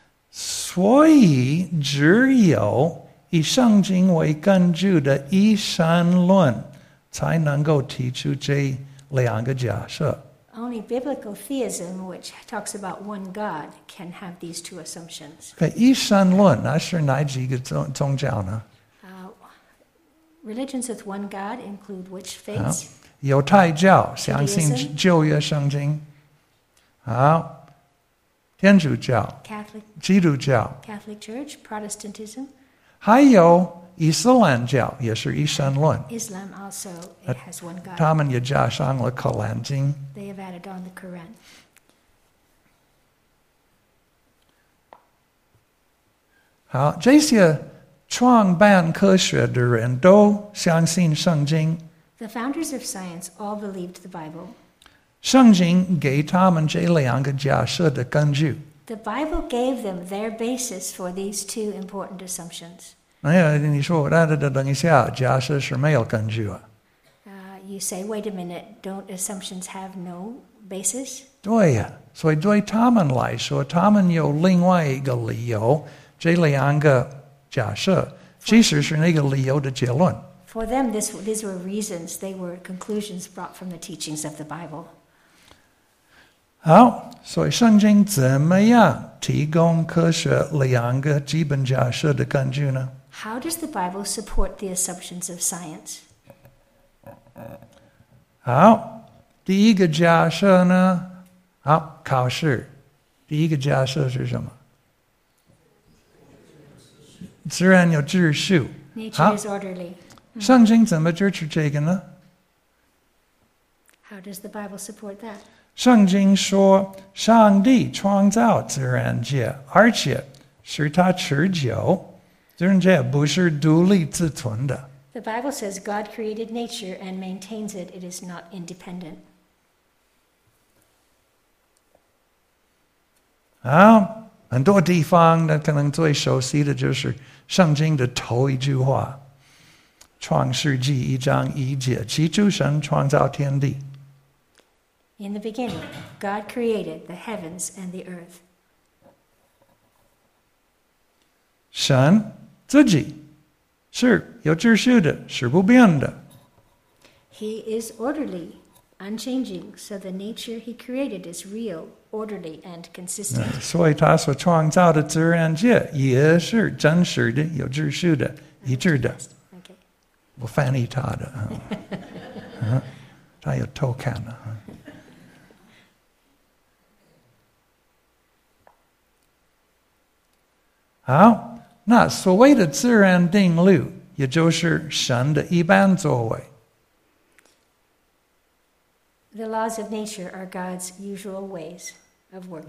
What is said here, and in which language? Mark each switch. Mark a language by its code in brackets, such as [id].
[zh] 所以只有以圣经为根据的一神论。才能够提出这两个假设。 [en] Only biblical theism, which talks about one God, can have these two assumptions. [zh] 一神论，那是哪几个宗教呢？ [en] Religions with one God include which faiths? [zh] 犹太教，相信旧约圣经。好，天主教。 [en] Catholic. [zh] 基督教。 [en] Catholic Church, Protestantism. [zh] 还有。伊斯兰教也是一神论。 [en] Islam also has one God. [zh] 他们也加上了《可兰经》。 [en] They have added on the Quran. [zh] 好，这些创办科学的人都相信圣经。 [en] The founders of science all believed the Bible. [zh] 圣经给他们这两个假设的根据。 [en] The Bible gave them their basis for these two important assumptions. [zh] 哎，你说，等一下，假设是没有根据啊。 [en] You say, wait a minute, don't assumptions have no basis? [zh] 对呀，所以对他们来说，他们有另外一个理由，这两个假设，其实是那个理由的结论。 [en] For them, these were reasons, they were conclusions brought from the teachings of the Bible. [zh] 好，所以圣经怎么样提供科学两个基本假设的根据呢？ [en] How does the Bible support the assumptions of science? [zh] 好，第一个假设呢？好，考试，第一个假设是什么？自然有秩序。 [en] Nature is orderly. [zh] 圣经怎么支持这个呢？ [en] How does the Bible support that? [zh] 圣经说，上帝创造自然界，而且使它持久。自然界不是独立自存的。 [en] The Bible says God created nature and maintains it. It is not independent. [zh] Ah, 很多地方呢，可能最熟悉的就是圣经的头一句话，创世纪一章一节，起初神创造天地。 [en] In the beginning, God created the heavens and the earth. [zh] 神自己是有秩序的，是不变的。 [en] He is orderly, unchanging, so the nature he created is real, orderly, and consistent. [zh] 所以他所创造的自然界也是真实的，有秩序的，一致的。我翻译他的，他有偷看了。好，那所谓的自然定律，也就是神的一般作为。 [en] The laws of nature are God's usual ways of working.